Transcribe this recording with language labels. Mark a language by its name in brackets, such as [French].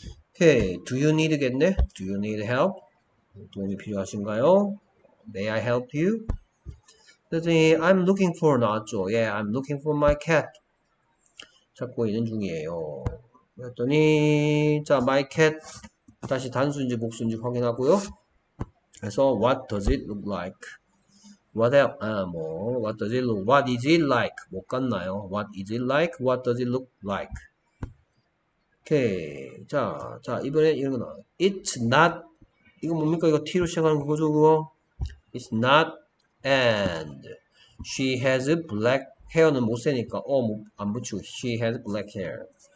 [English] 오케이, Do you need겠네? Do you need help? [Korean] 도움이 필요하신가요? [English] May I help you? [Korean] 그랬더니 [English] I'm looking for [Korean] 나왔죠. [English] 예, yeah, I'm looking for my cat. [Korean] 찾고 있는 중이에요. 그랬더니 자 [English] my cat [Korean] 다시 단수인지 복수인지 확인하고요. 그래서 [English] what does it look like? what else 아뭐 what does it look what is it like? [Korean] 못 갔나요? [English] what is it like? what does it look like? [Korean] 오케이 자 이번에 이런 거 나와요. [English] it's not [Korean] 이거 뭡니까? 이거 t로 시작하는 거죠 그거? [English] it's not and she has black hair [Korean] 는 못 세니까 안 붙이고 [English] she has black hair.